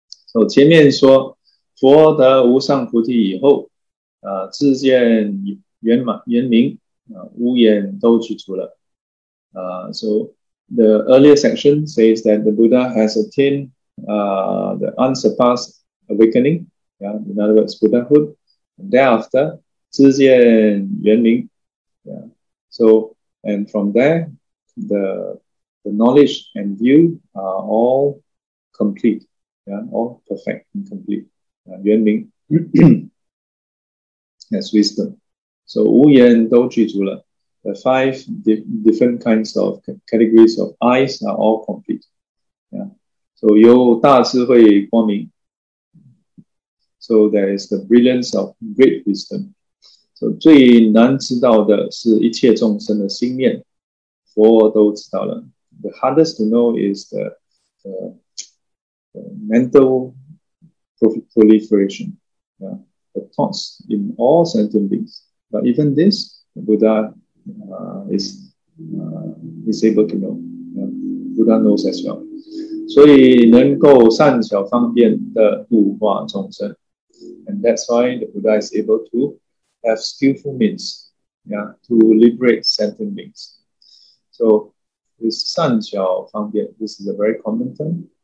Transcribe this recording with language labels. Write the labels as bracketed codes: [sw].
[zh] So 前面说佛得无上菩提以后，自见圆满圆明。 [en] So the earlier section says that the Buddha has attained the unsurpassed awakening, yeah, in other words, Buddhahood. And thereafter, [zh] 自见圆明, [en] yeah. So, and from there, the knowledge and view are all complete, yeah, all perfect and complete. 圆明, that's wisdom. So [zh] 无言都具足了. [en] The five different kinds of categories of eyes are all complete. Yeah. [zh] So 有大智慧光明. [en] So there is the brilliance of great wisdom. [zh] So 最难知道的是一切众生的心念. 佛都知道了. [en] The hardest to know is the mental proliferation. Yeah. The thoughts in all sentient beings. But even this, the Buddha is able to know. Yeah. Buddha knows as well. [zh] 所以能够善巧方便的度化众生. [en] And that's why the Buddha is able to have skillful means, yeah, to liberate sentient beings. So this 善巧方便, this is a very common term.